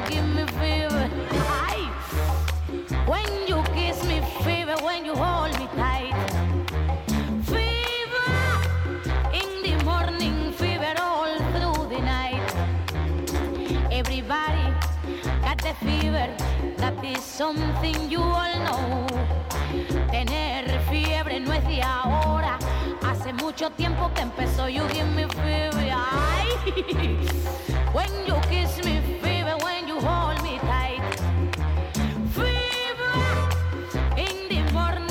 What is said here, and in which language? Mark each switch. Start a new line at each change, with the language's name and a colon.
English: You give me fever. Ay. When you kiss me, fever. When you hold me tight, fever. In the morning, fever. All through the night, everybody got the fever. That is something you all know.
Spanish: Tener fiebre no es de ahora, hace mucho tiempo que empezó.
English: You give me fever. Ay. When you kiss me, fever. When you hold me tight, fever. In the morning.